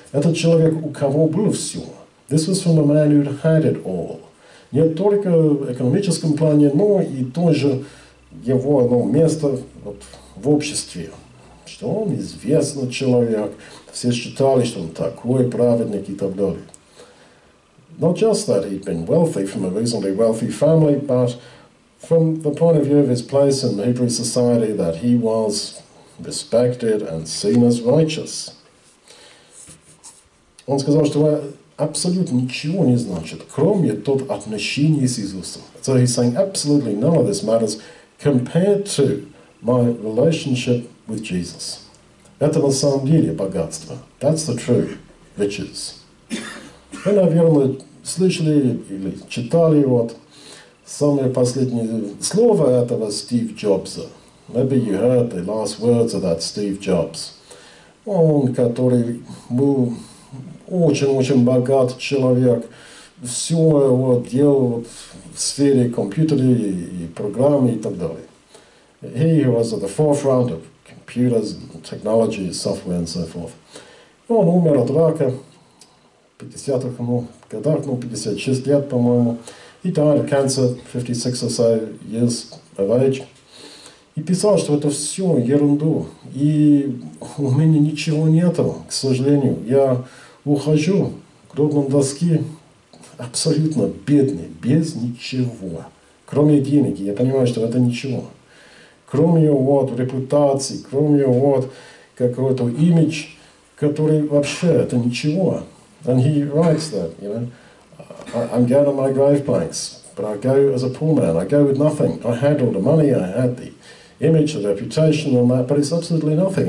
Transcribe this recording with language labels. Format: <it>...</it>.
<ru>Этот человек, у кого было все.</ru> <en>This was from a man who had it all.</en> <ru>Не только в экономическом плане, но и тоже его, ну, место вот в обществе, что он известный человек, все считали, что он такой праведник и так далее.</ru> <en>Not just that he'd been wealthy from a reasonably wealthy family, but from the point of view of his place in Hebrew society, that he was respected and seen as righteous.</en> <ru>Он сказал, что абсолютно ничего не значит, кроме тот отношений с Иисусом.</ru> <en>So he's saying absolutely none of this matters compared to my relationship with Jesus.</en> <ru>Это на самом деле богатство.</ru> <en>That's the true riches.</en> <ru>Вы, наверное, слышали или читали вот самое последнее слово этого Стив Джобса.</ru> <en>Maybe you heard the last words of that Steve Jobs.</en> <ru>Он, который был очень-очень богат человек, все его делал в сфере компьютера и программы и так далее.</ru> <en>He was at the forefront of computers and technology, software and so forth.</en> <ru>Он умер от рака. 50-х ему годах, ну, 56 лет, по-моему.</ru> <en>He died of cancer, 56 or so years of age.</en> <ru>И писал, что это все ерунду. И у меня ничего нету, к сожалению. Я ухожу к гробной доске абсолютно бедный, без ничего. Кроме денег, я понимаю, что это ничего. Кроме вот репутации, кроме вот какого-то имидж, который вообще это ничего.</ru> <en>And he writes that, you know, I'm going to my grave planks, but I go as a poor man, I go with nothing. I had all the money, I had the image, the reputation and that, but it's absolutely nothing.</en>